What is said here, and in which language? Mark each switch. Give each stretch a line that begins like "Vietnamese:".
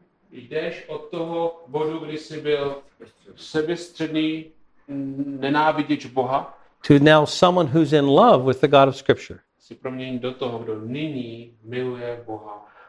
Czech: Jdeš od toho bodu, kdy jsi byl sebestředný nenávidíč Boha,
English: to now someone who's in love with the God of Scripture.
Czech: Jsi proměněn do toho, kdo nyní miluje Boha.